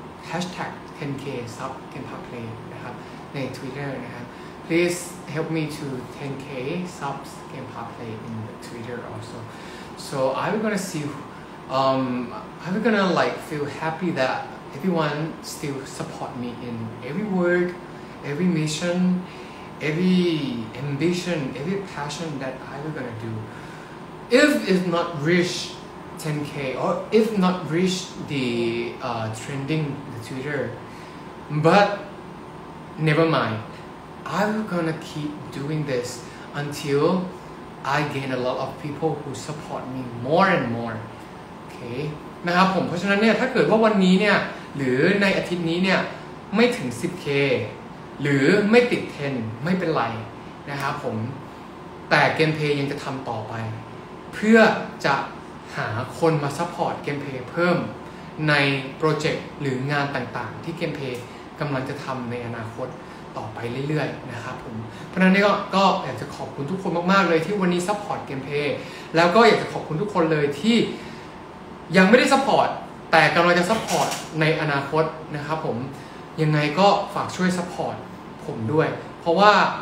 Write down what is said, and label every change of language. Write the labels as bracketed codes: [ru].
[en] #10k sub gameplay นะครับใน Twitter นะครับ please help me to 10k subs gameplay in the Twitter also so I'm gonna like feel happy that everyone still support me in every work every mission every ambition every passion that I'm gonna doIf it's not reach 10k or if not reach the trending the Twitter, but never mind. I'm gonna keep doing this until I gain a lot of people who support me more and more. [th] Okay, นะครับผมเพราะฉะนั้นเนี่ยถ้าเกิดว่าวันนี้เนี่ยหรือในอาทิตย์นี้เนี่ยไม่ถึง 10k หรือไม่ติด 10 ไม่เป็นไรนะครับผมแต่เกมเพย์ยังจะทำต่อไป เพื่อจะหาคนมาซัพพอร์ตเกมเพลย์เพิ่มในโปรเจกต์หรืองานต่างๆที่เกมเพลย์กำลังจะทำในอนาคตต่อไปเรื่อยๆนะครับผมเพราะนั้นนี่ก็อยากจะขอบคุณทุกคนมากๆเลยที่วันนี้ซัพพอร์ตเกมเพลย์แล้วก็อยากจะขอบคุณทุกคนเลยที่ยังไม่ได้ซัพพอร์ตแต่กำลังจะซัพพอร์ตในอนาคตนะครับผมยังไงก็ฝากช่วยซัพพอร์ตผมด้วยเพราะว่า